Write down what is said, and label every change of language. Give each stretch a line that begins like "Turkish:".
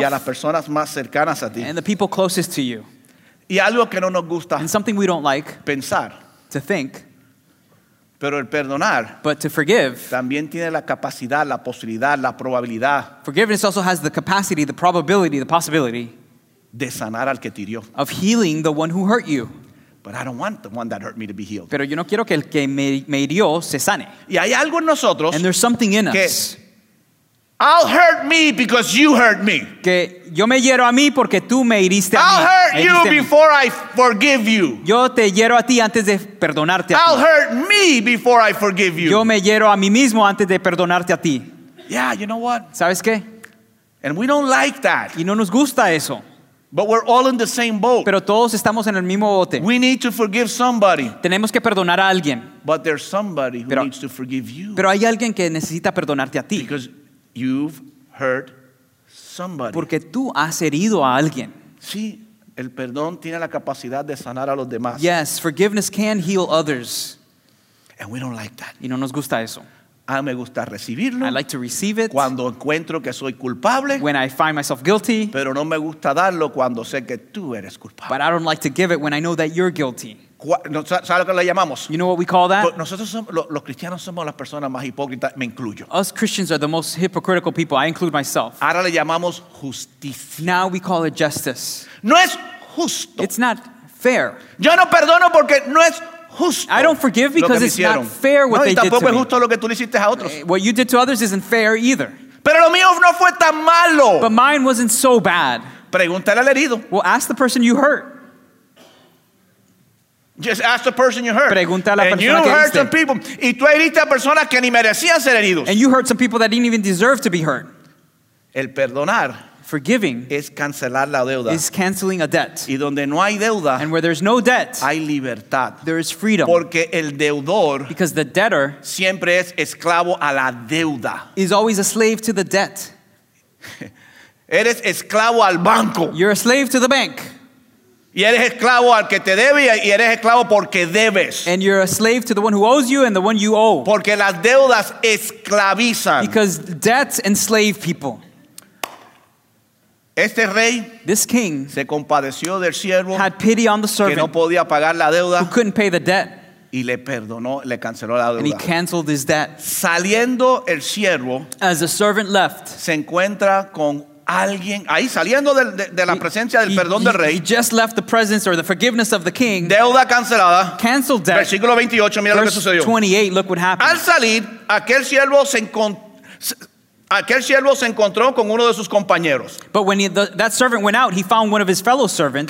Spanish: y a las personas más cercanas a ti,
English: and the people closest to you.
Spanish: Y algo que no nos gusta,
English: and something we don't like
Spanish: pensar,
English: to think.
Spanish: Pero el perdonar,
English: but to forgive,
Spanish: también tiene la capacidad, la posibilidad, la probabilidad.
English: Forgiveness also has the capacity, the probability, the possibility
Spanish: de sanar al que te hirió.
English: Of healing the one who hurt you. But I don't want the one that hurt me to be healed.
Spanish: Pero yo no quiero que el que me hirió se sane. Y hay algo en nosotros,
English: and there's something in
Spanish: que,
English: us. I'll hurt me because you hurt me.
Spanish: Que yo me hiero a mí porque tú me hiriste a mí.
English: I'll hurt you before I forgive you.
Spanish: Yo te hiero a ti antes de perdonarte a ti.
English: I'll hurt me before I forgive you.
Spanish: Yo me hiero a mí mismo antes de perdonarte a ti.
English: Yeah, you know what?
Spanish: ¿Sabes qué?
English: And we don't like that.
Spanish: Y no nos gusta eso.
English: But we're all in the same boat.
Spanish: Pero todos estamos en el mismo bote.
English: We need to forgive somebody.
Spanish: Tenemos que perdonar a alguien.
English: But there's somebody who needs to forgive you.
Spanish: Pero hay alguien que necesita perdonarte a ti.
English: Because you've hurt somebody.
Spanish: Porque tú has herido a alguien. Sí, el perdón tiene la capacidad de sanar a los demás.
English: Yes, forgiveness can heal others. And we don't like that.
Spanish: Y no nos gusta eso. A mí me gusta recibirlo.
English: I like to receive it.
Spanish: Cuando encuentro que soy culpable.
English: When I find myself guilty.
Spanish: Pero no me gusta darlo cuando sé que tú eres culpable.
English: But I don't like to give it when I know that you're guilty.
Spanish: ¿Sabes lo que le llamamos?
English: You know what we call that?
Spanish: Nosotros somos, los cristianos somos las personas más hipócritas, me incluyo.
English: Us Christians are the most hypocritical people, I include myself.
Spanish: Ahora le llamamos justicia.
English: Now we call it justice.
Spanish: No es justo.
English: It's not fair.
Spanish: Yo no perdono porque no es justo.
English: I don't forgive because it's not fair what they did to me.
Spanish: No, y tampoco es justo lo que tú le hiciste a otros.
English: What you did to others isn't fair either.
Spanish: Pero lo mío no fue tan malo.
English: But mine wasn't so bad.
Spanish: Pregúntale al herido.
English: Well, ask the person you hurt. Just ask the person you hurt.
Spanish: Pregunta a la persona que hiciste.
English: And you hurt some people.
Spanish: Y tú heriste a personas que ni merecían ser heridos.
English: And you hurt some people that didn't even deserve to be hurt.
Spanish: El perdonar.
English: Forgiving.
Spanish: Es cancelar la deuda.
English: Is canceling a debt.
Spanish: Y donde no hay deuda.
English: And where there's no debt.
Spanish: Hay libertad.
English: There is freedom.
Spanish: Porque el deudor.
English: Because the debtor.
Spanish: Siempre es esclavo a la deuda.
English: Is always a slave to the debt.
Spanish: Eres esclavo al banco.
English: You're a slave to the bank.
Spanish: Y eres esclavo al que te debe y eres esclavo porque debes.
English: And you're a slave to the one who owes you and the one you owe.
Spanish: Porque las deudas esclavizan.
English: Because debts enslave people.
Spanish: Este rey,
English: this king,
Spanish: se compadeció del siervo,
English: had pity on the servant,
Spanish: que no podía pagar la deuda,
English: who couldn't pay the debt,
Spanish: y le perdonó, le canceló la deuda.
English: And he canceled his debt.
Spanish: Saliendo el siervo,
English: as the servant left,
Spanish: se encuentra con alguien ahí saliendo de la presencia del perdón del rey.
English: He just left the presence or the forgiveness of the king.
Spanish: Deuda cancelada.
English: Canceled debt.
Spanish: Versículo 28, mira
English: verse
Spanish: lo que sucedió.
English: 28, look what happened.
Spanish: Al salir, aquel siervo se encontró con uno de sus compañeros.
English: But when that servant went out, he found one of his fellow servants.